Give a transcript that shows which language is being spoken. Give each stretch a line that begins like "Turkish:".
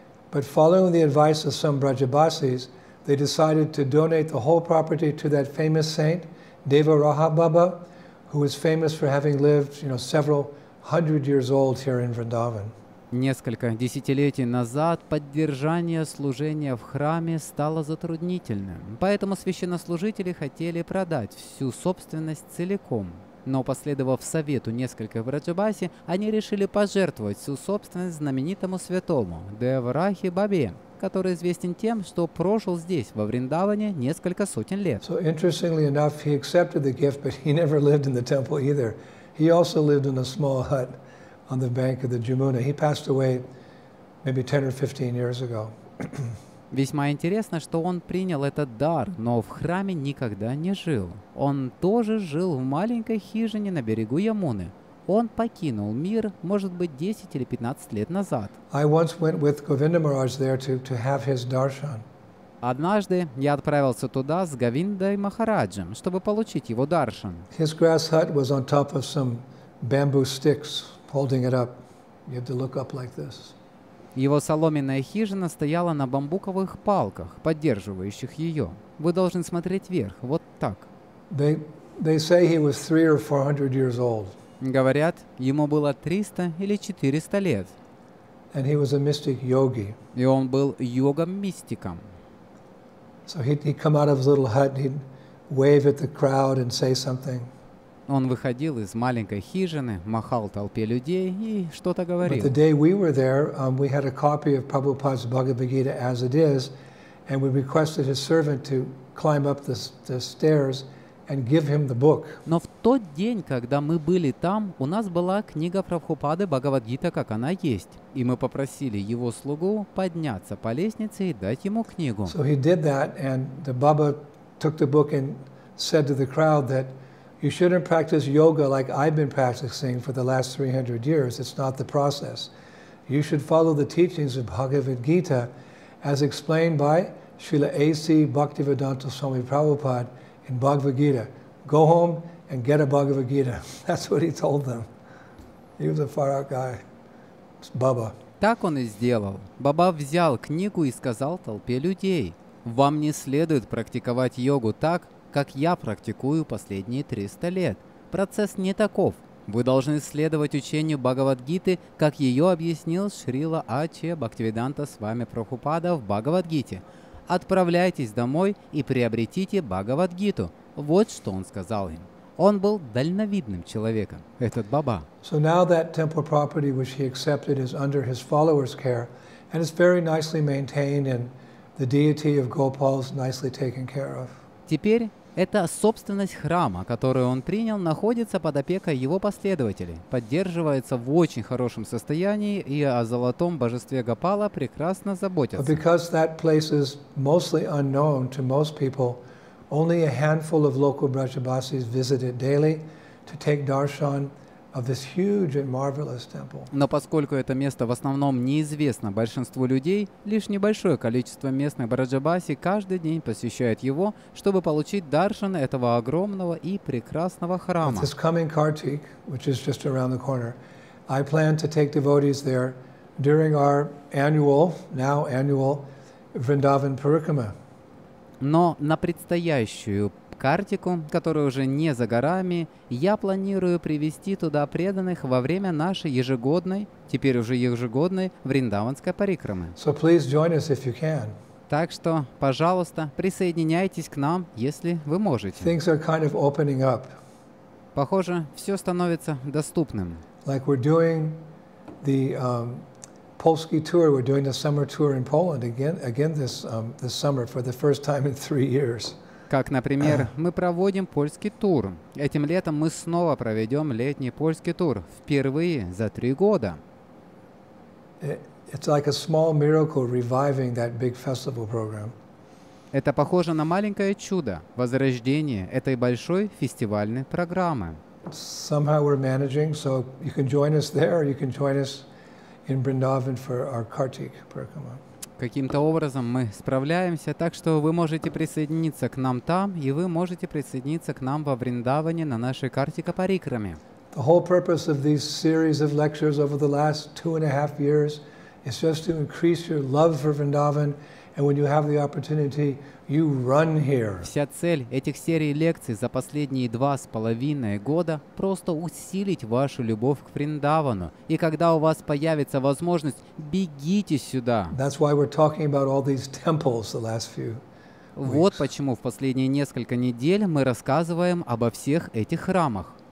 English: But following the advice of some Brajabasis, they decided to donate the whole property to that famous saint, Devaraha Baba, who was famous for having lived, you know, several hundred years old here in Vrindavan.
Russian: Несколько десятилетий назад поддержание служения в храме стало затруднительным, поэтому священнослужители хотели продать всю собственность целиком. Но, последовав совету нескольких враджабаси, они решили пожертвовать всю собственность знаменитому святому Деварахи Бабе, который известен тем, что прожил здесь, во Вриндаване, несколько сотен лет.
English: So, interestingly enough, he accepted the gift, but he never lived in the temple either. He also lived in a small hut on the bank of the Yamuna. He passed away maybe 10 or 15 years ago.
Russian: Весьма интересно, что он принял этот дар, но в храме никогда не жил. Он тоже жил в маленькой хижине на берегу Ямуны. Он покинул мир, может быть, 10 или 15 лет назад.
English: I once went with Govinda Maharaj there to have his darshan.
Russian: Однажды я отправился туда с Говиндой Махараджем, чтобы получить его даршан.
English: His grass hut was on top of some bamboo sticks. Holding it up, you have to look up like this.
Russian: Его соломенная хижина стояла на бамбуковых палках, поддерживающих ее. Вы должны смотреть вверх, вот так.
English: They say he was 300 or 400 years old.
Russian: Говорят, ему было 300 или 400 лет.
English: And he was a mystic yogi.
Russian: И он был йога-мистиком.
English: So he'd come out of his little hut, he'd wave at the crowd and say something.
Russian: Он выходил из маленькой хижины, махал толпе людей и что-то говорил.
English: But the day we were there, we had a copy of Prabhupada's Bhagavad Gita as it is, and we requested his servant to climb up the stairs and give him the book.
Russian: Но в тот день, когда мы были там, у нас была книга Прабхупады Бхагавад Гита, как она есть, и мы попросили его слугу подняться по лестнице и дать ему книгу.
English: So he did that, and the Baba took the book and said to the crowd that you shouldn't practice yoga like I've been practicing for the last 300 years. It's not the process. You should follow the teachings of Bhagavad Gita as explained by Srila A.C. Bhaktivedanta Swami Prabhupada in Bhagavad Gita. Go home and get a Bhagavad Gita. That's what he told them. He was a far out guy. It's Baba.
Russian: Так он и сделал. Баба взял книгу и сказал толпе людей: «Вам не следует практиковать йогу так, как я практикую последние 300 лет. Процесс не таков. Вы должны следовать учению Бхагавадгиты, как ее объяснил Шрила Ачья Бхактивиданта Свами Прабхупада в Бхагавадгите. Отправляйтесь домой и приобретите Бхагавадгиту». Вот что он сказал им. Он был дальновидным человеком, этот баба.
English: So now that temple property which he accepted is under his followers' care, and it's very nicely maintained, and the deity of Gopal is nicely taken care of.
Russian: Теперь эта собственность храма, которую он принял, находится под опекой его последователей, поддерживается в очень хорошем состоянии, и о золотом божестве Гопала прекрасно заботятся.
English: But because that place is mostly unknown to most people, only a handful of local Brajabasis visit it daily to take darshan of this huge and marvelous temple.
Russian: Но поскольку это место в основном неизвестно большинству людей, лишь небольшое количество местных Брахмачари каждый день посещает его, чтобы получить даршан этого огромного и прекрасного храма.
English: This coming Kartik, which is just around the corner, I plan to take devotees there during our annual, now annual, Vrindavan Parikrama.
Russian: Но на предстоящую Картику, которая уже не за горами, я планирую привести туда преданных во время нашей ежегодной, теперь уже ежегодной, Вриндаванской парикрамы.
English: So please join us if you can.
Russian: Так что, пожалуйста, присоединяйтесь к нам, если вы можете.
English: Things are kind of opening up.
Russian: Похоже, все становится доступным.
English: Like we're doing the Polski tour, we're doing the summer tour in Poland again this summer for the first time in 3 years.
Russian: Как, например, мы проводим польский тур. Этим летом мы снова проведем летний польский тур впервые за 3 года.
English: It's like a small miracle reviving that big festival program.
Russian: Это похоже на маленькое чудо возрождение этой большой фестивальной программы.
English: Somehow we're managing, so you can join us there, or you can join us in Vrindavan for our Kartik Parikrama.
Russian: Каким-то образом мы справляемся, так что вы можете присоединиться к нам там, и вы можете присоединиться к нам во Вриндаване на нашей Картика Парикраме.
English: The whole purpose of these series of lectures over the last 2.5 years is just to increase your love for Vrindavan, and when you have the opportunity, you run here.
Russian: Вся цель этих серий лекций за последние 2.5 года — просто усилить вашу любовь к Вриндавану. И когда у вас появится возможность, бегите сюда.
English: That's why we're talking about all these temples the last few weeks.
Russian: Вот почему в последние несколько недель мы рассказываем обо всех этих храмах.